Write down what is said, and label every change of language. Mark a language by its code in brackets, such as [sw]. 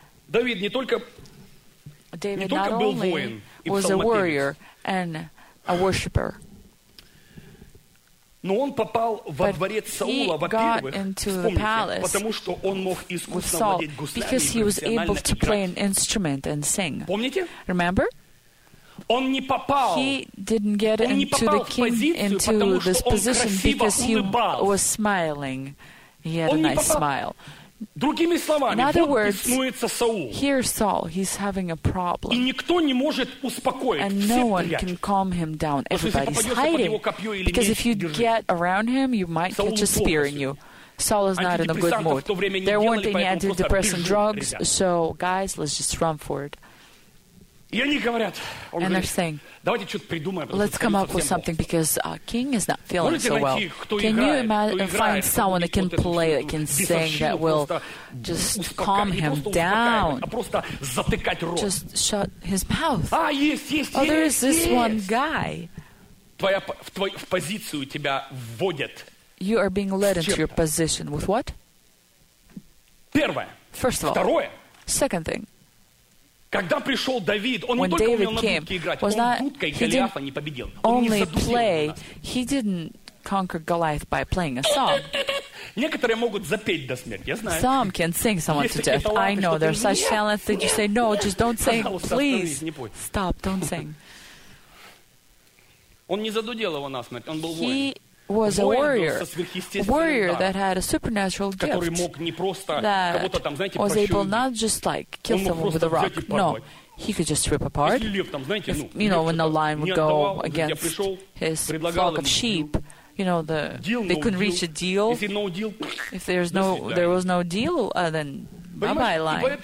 [ru] David не только был воин, [en] was a warrior and a worshipper. [ru] Но он попал во дворец Саула, во-первых, вспомните, потому что он мог искусно владеть гуслями и профессионально играть. [en] Because he was able to play an instrument and sing. [ru] Помните? [en] Remember? He didn't get into the king, into this position, because he was smiling. He had a nice smile. [ru] Другими словами, вот беснуется Саул. [en] Here's Saul, he's having a problem. [ru] И никто не может успокоить. [en] And no one can calm him down. Everybody's hiding. Because if you get around him, you might catch a spear in you. Saul is not in a good mood. There weren't any antidepressant drugs, so guys, let's just run for it. [ru] И они говорят, [en] and they're saying, [ru] давайте что-то придумаем. [en] Let's come up with something, because our king is not feeling so well. Can you imagine, find someone that can play, that can sing, that will just calm him down? Just shut his mouth. Oh, there is this one guy. [ru] В позицию тебя вводят. [en] You are being led into your position. With what? [ru] Первое. [en] First of all. [ru] Второе. [en] Second thing. [ru] Когда пришел Давид, он не только умел на дудке играть, он дудкой Голиафа не победил. Он не задушил [en] Conquer Goliath by playing a song. [ru] Некоторые могут запеть до смерти, я знаю. [en] Some can sing someone to death. I know there's such talents that you say no, just don't sing, please. Stop, don't sing. [ru] Он не задудел его насмерть, он был воин. [en] He was a warrior. Warrior that had a supernatural gift. [ru] Который мог не просто кого-то там, знаете, [en] was able not just like kill someone with a rock. No. He could just rip apart. If, you know, when the lion would go against his flock of sheep. You know, they couldn't reach a deal. If there's no, there was no deal, then bye-bye, line.